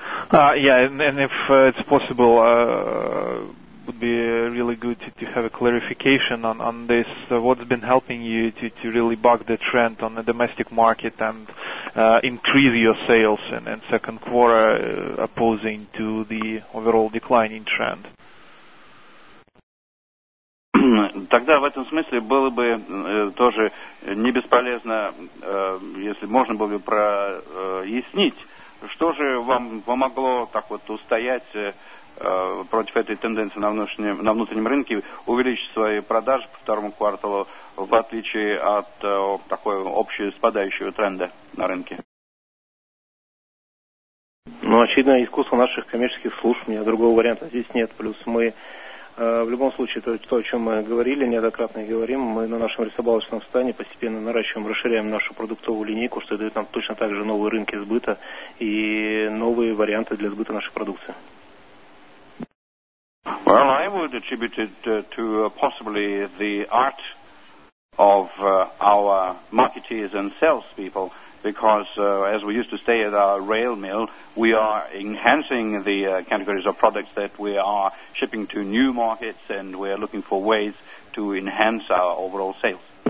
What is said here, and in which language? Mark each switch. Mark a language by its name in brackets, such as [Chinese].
[English] And if it's possible, would be really good to have a clarification on this. What's been helping you to really buck the trend on the domestic market and increase your sales in second quarter, opposing to the overall declining trend? [Russian] Тогда в этом смысле было бы тоже не бесполезно, если можно было бы прояснить, что же вам помогло так вот устоять против этой тенденции на внутреннем рынке, увеличить свои продажи по второму кварталу, в отличие от такой общего спадающего тренда на рынке. Ну, очевидно, искусство наших коммерческих служб, у меня другого варианта здесь нет, плюс мы... В любом случае, то, о чем мы говорили, неоднократно говорим, мы на нашем рисобалочном стане постепенно наращиваем, расширяем нашу продуктовую линейку, что дает нам точно так же новые рынки сбыта и новые варианты для сбыта нашей продукции. [English] Well, I would attribute it to possibly the art of our marketeers and salespeople, because as we used to say at our rail mill, we are enhancing the categories of products that we are shipping to new markets, and we are looking for ways to enhance our overall sales.